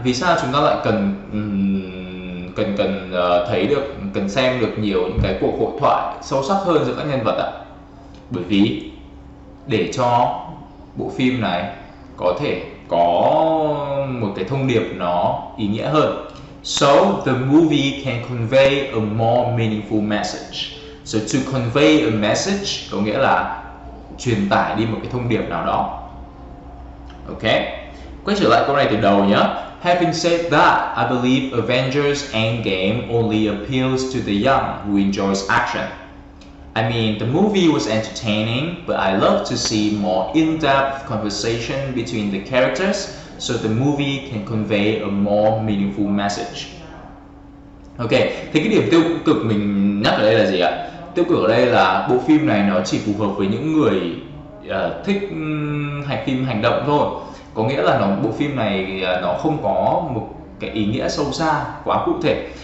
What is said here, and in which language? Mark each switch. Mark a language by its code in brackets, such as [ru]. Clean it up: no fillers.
[vi] Vì sao chúng ta lại cần xem được nhiều những cái cuộc hội thoại sâu sắc hơn giữa các nhân vật ạ? Bởi vì để cho bộ phim này có thể có một cái thông điệp nó ý nghĩa hơn. [en] So the movie can convey a more meaningful message. So to convey a message [vi] có nghĩa là truyền tải đi một cái thông điệp nào đó. Ok, quay trở lại câu này từ đầu nhé. [en] Having said that, I believe Avengers Endgame only appeals to the young who enjoys action. I mean, the movie was entertaining, but I love to see more in-depth conversation between the characters so the movie can convey a more meaningful message. [vi] Ok, thế cái điểm tiêu cực mình nhắc ở đây là gì ạ? Tiêu cực ở đây là bộ phim này nó chỉ phù hợp với những người thích hành phim hành động thôi. Có nghĩa là bộ phim này nó không có một cái ý nghĩa sâu xa, quá cụ thể.